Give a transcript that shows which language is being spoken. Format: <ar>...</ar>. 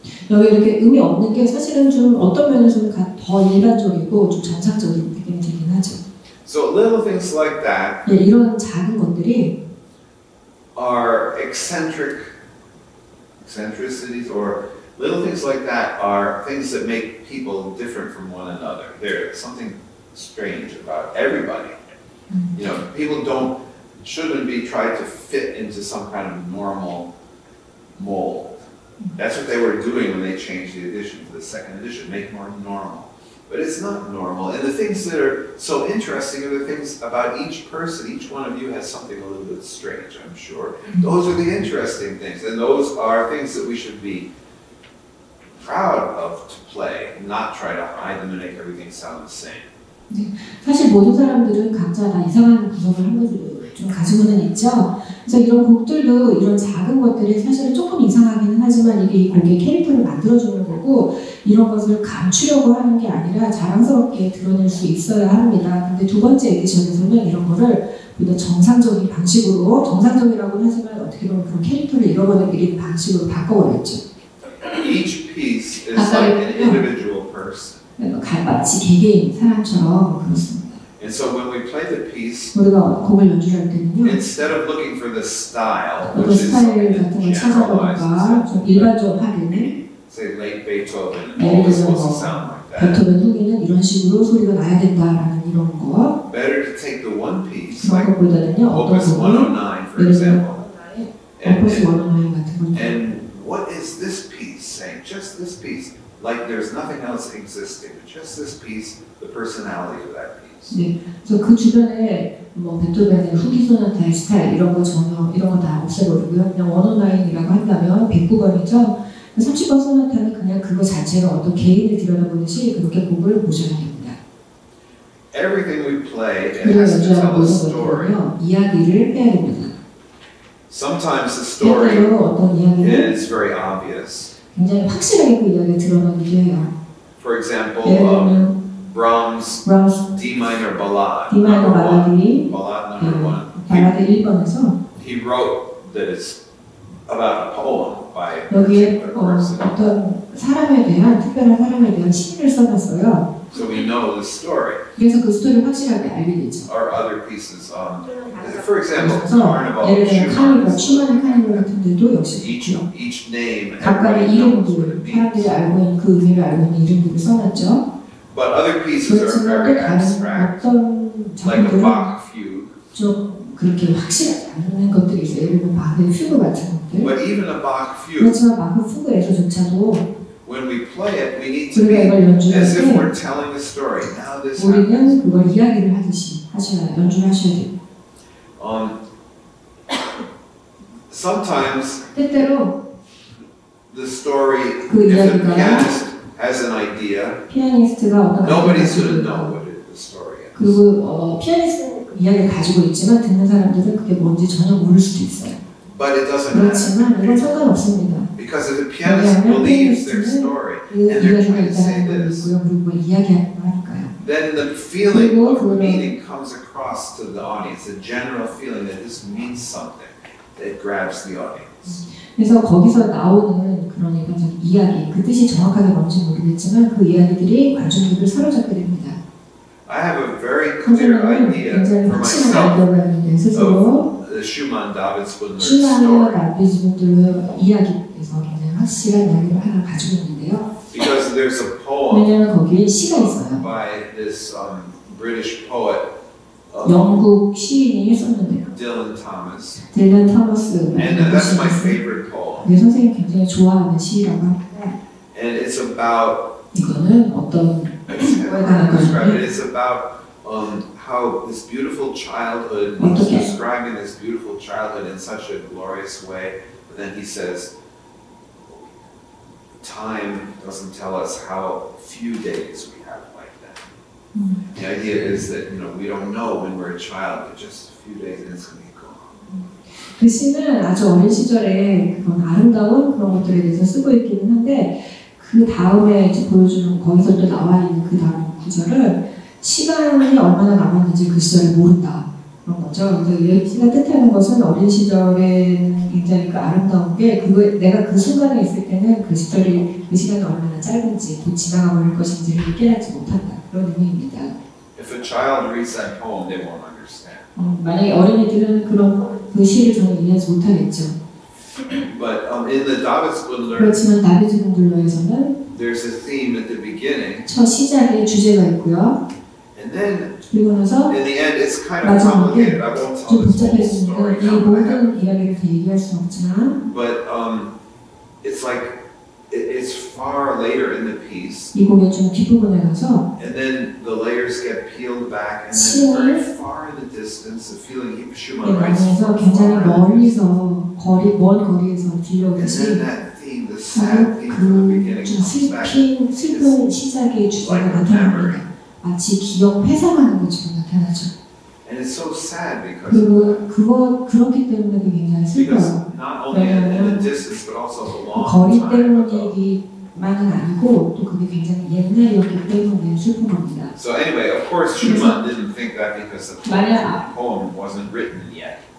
<ko>여기 이렇게 음이 없는 게 사실은 좀 어떤 면에서는 더 일반적이고 좀 전상적인 느낌이 들긴 하죠.</ko> <en>So little things like that.</en> <ko>예, 이런 작은 것들이</ko> <en>are eccentricities or little things like that are things that make people different from one another. There is something strange about everybody. You know, people don't shouldn't be trying to fit into some kind of normal mold. That's what they were doing when they changed the edition to the second edition, make more normal. But it's not normal. And the things that are so interesting are the things about each person. Each one of you has something a little bit strange, I'm sure. Those are the interesting things. And those are things that we should be proud of to play, not try to hide them and make everything sound the same.</en> <ko>사실 모든 사람들은 각자 다 이상한 구성을 한 가지 좀 가지고는 있죠. 그래서 이런 곡들도 이런 작은 것들이 사실은 조금 이상하기는 하지만 이게 이 곡의 캐릭터를 만들어주는 거고 이런 것을 감추려고 하는 게 아니라 자랑스럽게 드러낼 수 있어야 합니다. 근데 두 번째 에디션에서는 이런 거를 보다 정상적인 방식으로 정상적이라고는 하지만 어떻게 보면 그런 캐릭터를 잃어버린 길이 방식으로 바꿔버렸죠.</ko> <en>Each piece is like an individual person.</en> <ko>마치 개개인 사람처럼 그렇습니다.</ko> <en>And so when we play the piece,</en> <ko>우리가 곡을 연주할 때는요,</ko> <en>instead of looking for the style,</en> <ko>어떤 스타일 같은 걸 찾아볼까, 좀 일반적하게는,</ko> <en>say late Beethoven, what was supposed to sound like that?</en> <ko>베토벤 후기는 이런 식으로 소리가 나야 된다라는 이런 거.</ko> <en>Better to take the one piece,</en> <ko>그것보다는요, 어떤 곡이,</ko> <en>109, for example,</en> <ko>Opus 109 같은 건데,</ko> <en>and what is this piece saying? Just this piece. Like there's nothing else existing, just this piece, the personality of that piece.</en> <ko>네, 그래서 그 주변에 뭐 베토벤의 후기 소나타의 스타일 이런 거 전혀 이런 거 다 없애버리고요. 그냥 109이라고 한다면 109번이죠. 30번 소나타는 그냥 그거 자체가 어떤 개인을 들여다보듯이 그렇게 곡을 보셔야 됩니다.</ko> <en>Everything we play has to tell a story.</en> <ko>이야기를 해야 됩니다.</ko> <en>Sometimes the story is very obvious.</en> <ko>굉장히 확실하게 그 이야기를 드러나기 위해요.</ko> <en>For example,</en> <ko>예를</ko> <en>Brahms D minor ballad. D minor ballad이 ballad number</en> <ko>1. 발라드 1번에서</ko> <en>he wrote that it's about a poem by</en> <ko>여기에 어떤 사람에 대한 특별한 사람에 대한 시를 써 놨어요.</ko> <en>So we know the story.</en> <ko>그래서 그 스토리를 확실하게 알게 되죠.</ko> <en>Or other pieces on for example, Carnival,</en> <ko>Schumann의 Carnival 같은 데도 역시</ko> <en>each name,</en> <ko>각각의 이름들, 사람들이 알고 있는 그 의미를 알고 있는 이름들을 써놨죠.</ko> <en>But other pieces are very abstract, like a Bach fugue.</en> <ko>좀 그렇게 확실하지 않은 것들이 있어요. 예를 들면 바흐의 퓨그 같은 것들.</ko> <en>But even a Bach fugue.</en> <ko>그렇지만 바흐 퓨그에서조차도</ko> <en>when we play it, we need to be as if we're telling a story. Now this.</en> <ko>우리는 그걸 이야기를 하듯이 하셔야 연주하셔야 돼요.</ko> <en>Sometimes</en> <ko>때때로</ko> <en>the story, if the pianist has an idea,</en> <ko>피아니스트가 어떤</ko> <en>nobody's going to know what the story is.</en> <ko>그리고 피아니스트 이야기를 가지고 있지만 듣는 사람들은 그게 뭔지 전혀 모를 수도 있어요.</ko> <en>But it doesn't</en> <ko>그렇지만</ko> <en>matter.</en> <ko>그건 상관없습니다.</ko> <en>Because if the pianist believes their story, and they're trying to say this,</en> <ko>그리고 이야기하는 거 아닐까요?</ko> <en>Then the feeling of meaning comes across to the audience, a general feeling that this means something that grabs the audience.</en> <ko>그래서 거기서 나오는 그런 일반적인 이야기, 그 뜻이 정확하게 뭔지 모르겠지만 그 이야기들이 관중들을 사로잡습니다.</ko> <en>I have a very clear idea for myself of the Schumann David Spindler story.</en> <ko>확실한 이야기를 하나 가지고 있는데요.</ko> <en>Because there's a poem</en> <ko>왜냐하면 거기에 시가 있어요.</ko> <en>By this British poet,</en> <ko>영국 시인이 썼는데요.</ko> <en>Dylan Thomas. Dylan Thomas. And that's my favorite poem.</en> <ko>내 선생님 굉장히 좋아하는 시라고 합니다.</ko> <en>And it's about</en> <ko>이거는 어떤</ko> <en>It's about how this beautiful childhood is describing this beautiful childhood in such a glorious way. But then he says. Time doesn't tell us how few days we have like that. The idea is that, you know, we don't know when we're a child, but just a few days and it's going to be gone.</en> <ko>글씨는 아주 어린 시절에 그런 아름다운 그런 것들에 대해서 쓰고 있기는 한데 그 다음에 이제 보여주는 거기서 또 나와 있는 그 다음 구절은 시간이 얼마나 남았는지 그 시절을 모른다. 그런 거죠. 그래서 예시가 뜻하는 것은 어린 시절에 굉장히 그 아름다운 게 그거에, 내가 그 순간에 있을 때는 그 시절이, 그 시간이 얼마나 짧은지, 또 지나가버릴 것인지를 깨닫지 못한다. 그런 의미입니다.</ko> <en>If a child reads that poem, they won't understand.</en> <ko>만약에 어린이들은 그런 그 시를 저는 이해하지 못하겠죠.</ko> <en>But in the David's Bundler,</en> <ko>그렇지만 다비드 분들로에서는</ko> <en>there's a theme at the beginning.</en> <ko>저 시작에 주제가 있고요.</ko> <en>And then,</en> <ko>그리고 나서</ko> <en>in the end, it's kind of complicated. I won't tell the story.</en> <ko>이 모든 이야기를 다 얘기할 수 없지만,</ko> <en>but it's like it's far later in the piece.</en> <ko>이 곡의 좀 뒷부분에 가서,</ko> <en>and then the layers get peeled back, and then very far in the distance, the feeling he should be right.</en> <ko>그래서 굉장히 멀리서 거리 먼 거리에서 들려오듯이.</ko> <en>The sad theme from the beginning comes back. It's like a memory.</en> <ko>마치 기억 회상하는 것처럼 나타나죠.</ko> <en>And it's so sad because</en> <ko>그렇기 때문에 굉장히 슬퍼요.</ko> <en>Because not only in the distance, but also a long time ago.</en> <ko>거리 때문이 아니고 또 그게 굉장히 옛날이었기 때문에 슬픈 겁니다.</ko> <en>So anyway, of course, Schumann didn't think that because the poem wasn't written yet.</en>